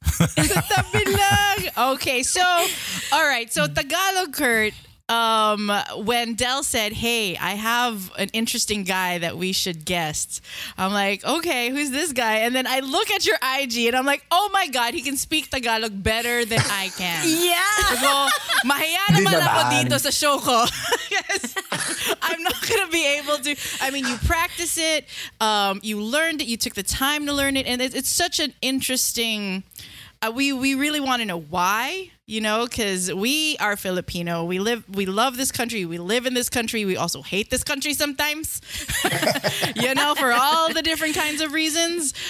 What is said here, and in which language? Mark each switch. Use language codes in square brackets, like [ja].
[tl] Sa tabi lang! [en] Okay, so, all right. So, Tagalog Kurt, when Del said, hey, I have an interesting guy that we should guest, I'm like, okay, who's this guy? And then I look at your IG and I'm like, oh my God, he can speak Tagalog better than I can. Yeah. [tl] So, mahiya naman ako dito sa show ko. [en] Yes. I'm not going to be able to. I mean, you practice it. You learned it. You took the time to learn it. And it's such an interesting, we really want to know why. You know, because we are Filipino. We love this country. We live in this country. We also hate this country sometimes, you know, for all the different kinds of reasons.